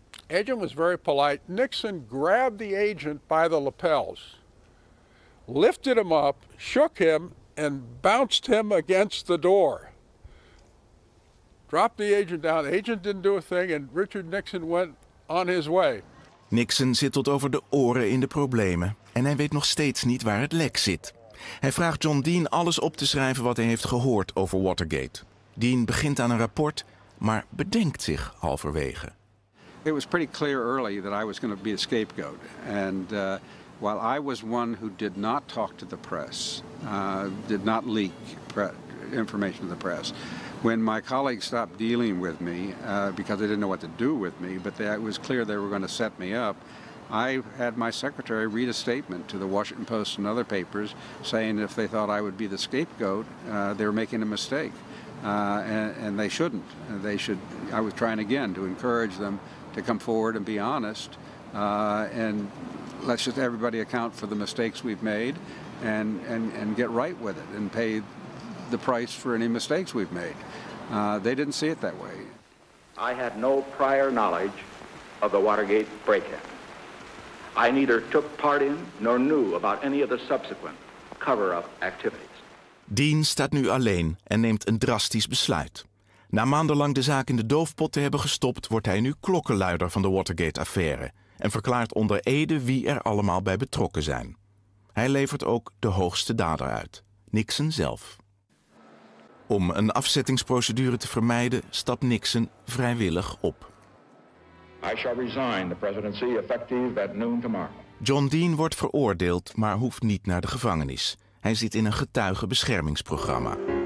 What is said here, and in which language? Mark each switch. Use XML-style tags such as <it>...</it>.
<en>Agent was very polite. Nixon grabbed the agent by the lapels, lifted him up, shook him, and bounced him against the door. Dropped the agent down. The agent didn't do a thing, and Richard Nixon went on his way.</en> <nl>Nixon zit tot over de oren in de problemen, en hij weet nog steeds niet waar het lek zit. Hij vraagt John Dean alles op te schrijven wat hij heeft gehoord over Watergate. Dean begint aan een rapport, maar bedenkt zich halverwege.</nl> <en>It was pretty clear early that I was going to be a scapegoat, and while I was one who did not talk to the press, did not leak information to the press, when my colleagues stopped dealing with me because they didn't know what to do with me, but it was clear they were going to set me up, I had my secretary read a statement to the Washington Post and other papers saying if they thought I would be the scapegoat, they were making a mistake. And they shouldn't. They should. I was trying again to encourage them to come forward and be honest and let's just everybody account for the mistakes we've made and get right with it and pay the price for any mistakes we've made. They didn't see it that way. I had no prior knowledge of the Watergate break-in. I neither took part in nor knew about any of the subsequent cover-up activities.</en> <nl>Dean staat nu alleen en neemt een drastisch besluit. Na maandenlang de zaak in de doofpot te hebben gestopt, wordt hij nu klokkenluider van de Watergate-affaire en verklaart onder ede wie er allemaal bij betrokken zijn. Hij levert ook de hoogste dader uit, Nixon zelf. Om een afzettingsprocedure te vermijden, stapt Nixon vrijwillig op.</nl> <en>I shall resign the presidency effective at noon tomorrow.</en> <nl>John Dean wordt veroordeeld, maar hoeft niet naar de gevangenis. Hij zit in een getuigenbeschermingsprogramma.</nl>